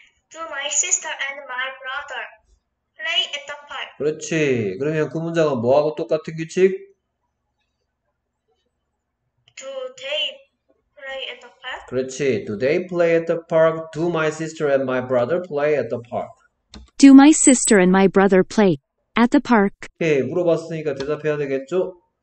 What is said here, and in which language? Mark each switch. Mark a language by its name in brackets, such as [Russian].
[English] Do my sister and my brother play at the park? [Korean] 그렇지. 그러면 그 문장은 뭐하고 똑같은 규칙? [English] Do they play at the park? [Korean] 그렇지. [English] Do they play at the park? Do my sister and my brother play at the park? Do my sister and my brother play at the park? [Korean] 오케이. 물어봤으니까 대답해야 되겠죠?